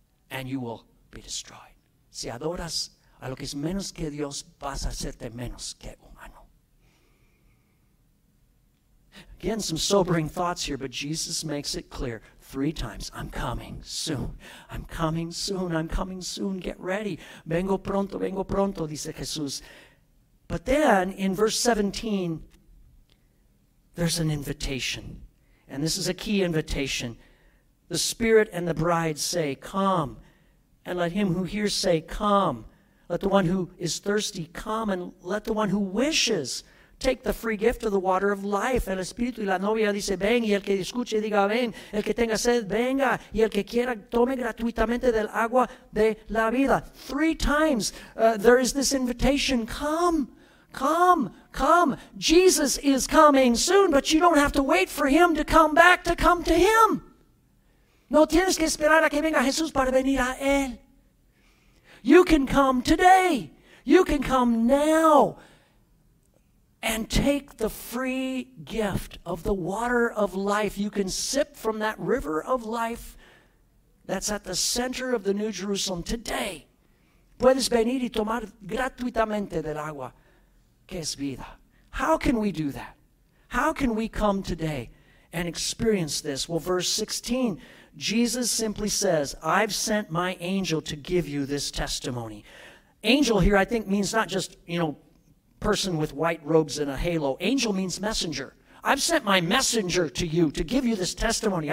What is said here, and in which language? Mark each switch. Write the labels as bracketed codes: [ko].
[en] And you will be destroyed. [es] Si adoras a lo que es menos que Dios, vas a hacerte menos que humano. [en] Again, some sobering thoughts here, but Jesus makes it clear. Three times, I'm coming soon, I'm coming soon, I'm coming soon, get ready. [es] Vengo pronto, dice Jesús. [en] But then, in verse 17, there's an invitation. And this is a key invitation. The Spirit and the bride say, come. And let him who hears say, come. Let the one who is thirsty come, and let the one who wishes take the free gift of the water of life. [es] El espíritu y la novia dice, ven, y el que escuche diga, ven, el que tenga sed, venga, y el que quiera tome gratuitamente del agua de la vida. [en] Three times there is this invitation, come, come, come. Jesus is coming soon, but you don't have to wait for him to come back to come to him. [es] No tienes que esperar a que venga Jesús para venir a él. [en] You can come today. You can come now and take the free gift of the water of life. You can sip from that river of life that's at the center of the New Jerusalem today. [es] Puedes venir y tomar gratuitamente del agua que es vida. [en] How can we do that? How can we come today and experience this? Well, verse 16, Jesus simply says, I've sent my angel to give you this testimony. Angel here, I think, means not just, you know, person with white robes and a halo. Angel means messenger. I've sent my messenger to you to give you this testimony.